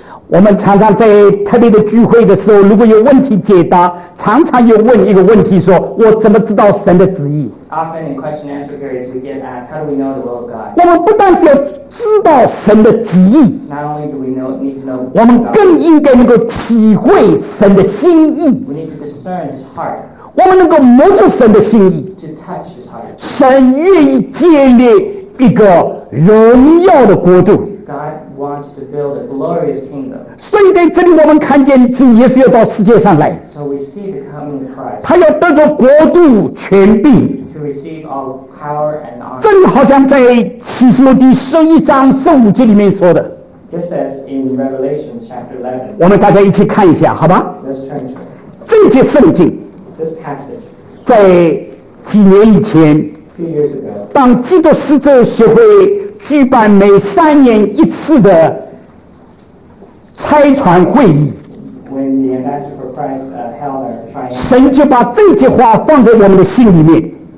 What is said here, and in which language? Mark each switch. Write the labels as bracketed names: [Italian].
[Chinese] 我们常常在特别的聚会的时候，如果有问题解答，常常有问一个问题，说我怎么知道神的旨意？ [English] Often in question answer periods, we get asked, how do we know the will of God? [Chinese] 我们不但是要知道神的旨意， [English] not only do we need to know God, [Chinese] 我们更应该能够体会神的心意。 [English] We need to discern his heart. [Chinese] 我们能够摸着神的心意。 [English] To touch his heart. [Chinese] 神愿意建立一个荣耀的国度。 [English] wants to build a glorious kingdom. [Chinese] 所以在这里我们看见主耶稣要到世界上来。 [English] So we see the coming of Christ. [Chinese] 他要得着国度权柄。 [English] To receive all power and honor. [Chinese] 这里好像在启示录第11章15节里面说的。 [English] Just as in Revelation chapter 11. [Chinese] 我们大家一起看一下，好吧？ [English] Let's turn to it. [Chinese] 这一节圣经。 [English] This passage. [Chinese] 在几年以前。 [English] Few years ago. [Chinese] 当基督使徒协会举办每3年1次的差传会议， [English] When the ambassador for Christ, held our triumph, [Chinese] 神就把这句话放在我们的心里面。